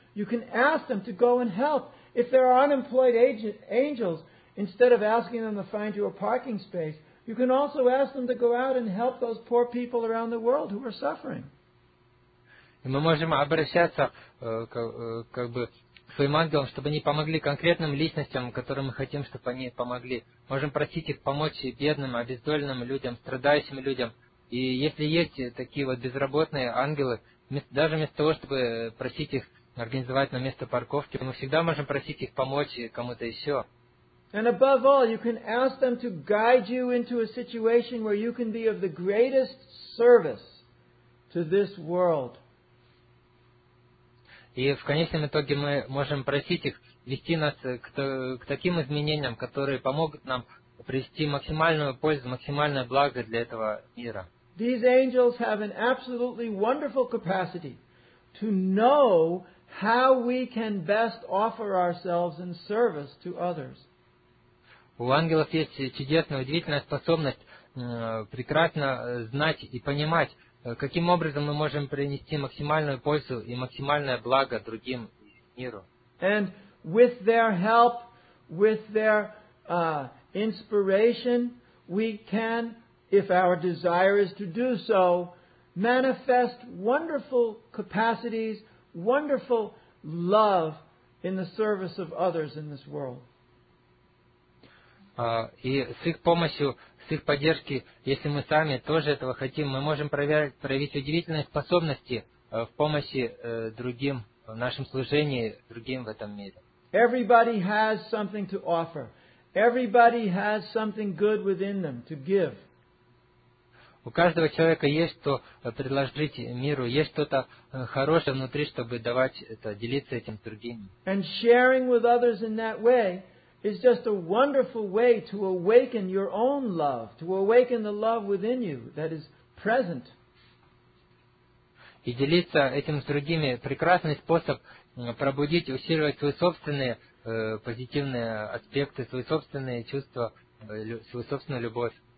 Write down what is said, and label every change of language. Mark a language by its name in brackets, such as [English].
[English] You can ask them to go and help. If there are unemployed angels, instead of asking them to find you a parking space, you can also ask them to go out and help those poor people around the world who are suffering. [Russian] Мы можем обращаться как бы к своим ангелам, чтобы они помогли конкретным личностям, которым мы хотим, чтобы они помогли. Можем просить их помочь бедным, обездоленным людям, страдающим людям. И если есть такие вот безработные ангелы, даже вместо того, чтобы просить их организовать на место парковки, мы всегда можем просить их помочь кому-то еще. [English] And above all, you can ask them to guide you into a situation where you can be of the greatest service to this world. [Russian] И в конечном итоге мы можем просить их вести нас к таким изменениям, которые помогут нам привести максимальную пользу, максимальное благо для этого мира. [English] These angels have an absolutely wonderful capacity to know how we can best offer ourselves in service to others. [Russian] У ангелов есть чудесная, удивительная способность прекрасно знать и понимать, каким образом мы можем принести максимальную пользу и максимальное благо другим миру. [English] And with their help, with their inspiration, we can, if our desire is to do so, manifest wonderful capacities, wonderful love in the service of others in this world. [Russian] И с их помощью, с их поддержкой, если мы сами тоже этого хотим, мы можем проявить удивительные способности в помощи другим, в нашем служении другим в этом мире. [English] Everybody has something to offer. Everybody has something good within them to give. [Russian] У каждого человека есть что предложить миру, есть что-то хорошее внутри, чтобы давать это, делиться этим с другими. [English] And sharing with others in that way is just a wonderful way to awaken your own love, to awaken the love within you that is present. [Russian] и делиться этим с другими. Прекрасный способ пробудить, усиливать свои собственные позитивные аспекты, свои собственные чувства, свою собственную любовь.